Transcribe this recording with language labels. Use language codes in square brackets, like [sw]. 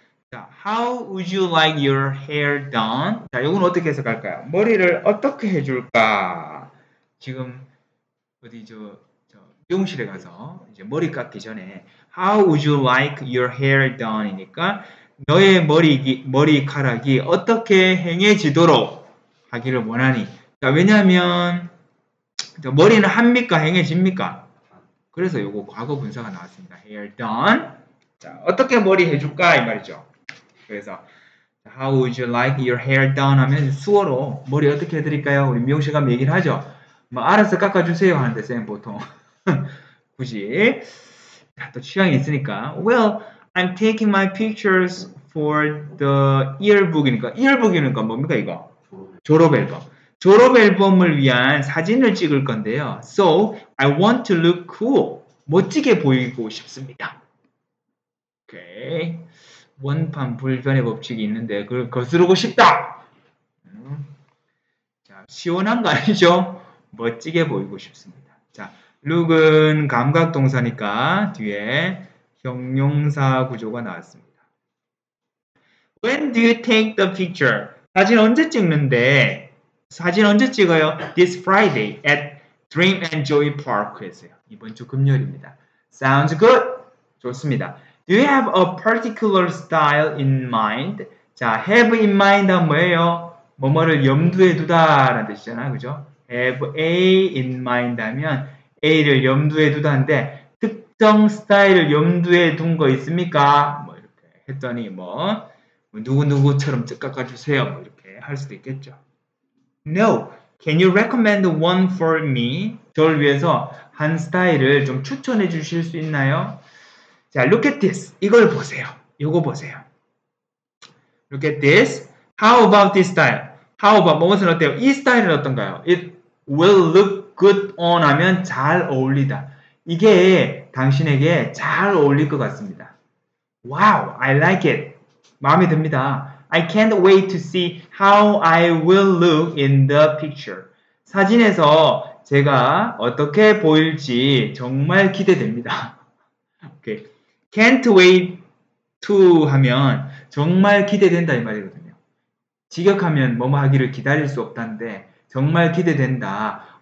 [en] 자, how would you like your hair done? [ko] 자, 이건 어떻게 해석할까요? 머리를 어떻게 해줄까? 지금 어디 저 미용실에 가서 이제 머리 깎기 전에 [en] how would you like your hair done? [ko] 이니까 너의 머리카락이 어떻게 행해지도록 하기를 원하니. 자, 왜냐하면 머리는 합니까? 행해집니까? 그래서 요거 과거 분사가 나왔습니다. [en] Hair done. [ko] 자, 어떻게 머리 해줄까? 이 말이죠. [en] 그래서 How would you like your hair done? [ko] 하면 수어로 머리 어떻게 해드릴까요? 우리 미용실 가면 얘기를 하죠. 뭐 알아서 깎아주세요 하는데 쌤 보통 굳이 자, 또 취향이 있으니까 [en] Well, I'm taking my pictures for the yearbook [ko] 이니까 yearbook이니까 뭡니까 이거? 졸업앨범. 졸업앨범을 위한 사진을 찍을 건데요. [en] So, I want to look cool. [ko] 멋지게 보이고 싶습니다. 오케이. 원판 불변의 법칙이 있는데 그걸 거스르고 싶다. 자, 시원한 거 아니죠? 멋지게 보이고 싶습니다. 자, look은 감각동사니까 뒤에 형용사 구조가 나왔습니다. [en] When do you take the picture? [ko] 사진 언제 찍는데? 사진 언제 찍어요? [en] This Friday at Dream and Joy Park [ko] 했어요. 이번 주 금요일입니다. [en] Sounds good. [ko] 좋습니다. [en] Do you have a particular style in mind? [ko] 자, [en] have in mind [ko] 하면 뭐예요? 뭐뭐를 염두에 두다라는 뜻이잖아요. 그죠? [en] Have a in mind [ko] 하면 a를 염두에 두다인데 특정 스타일을 염두에 둔 거 있습니까? 뭐 이렇게 했더니 뭐 누구누구처럼 깎아주세요. 뭐 이렇게 할 수도 있겠죠. [en] No. Can you recommend one for me? [ko] 저를 위해서 한 스타일을 좀 추천해 주실 수 있나요? [en] 자, look at this. [ko] 이걸 보세요. 이거 보세요. [en] Look at this. How about this style? How about, [ko] 무엇은 어때요? 이 스타일은 어떤가요? [en] It will look good on [ko] 하면 잘 어울리다. 이게 당신에게 잘 어울릴 것 같습니다. [en] Wow, I like it. [ko] 마음에 듭니다. [en] I can't wait to see how I will look in the picture. [ko] 사진에서 제가 어떻게 보일지 정말 기대됩니다. [en] Okay. Can't wait to [ko] 하면 정말 기대된다 이 말이거든요. 직역하면 뭐뭐 하기를 기다릴 수 없다는데 정말 기대된다.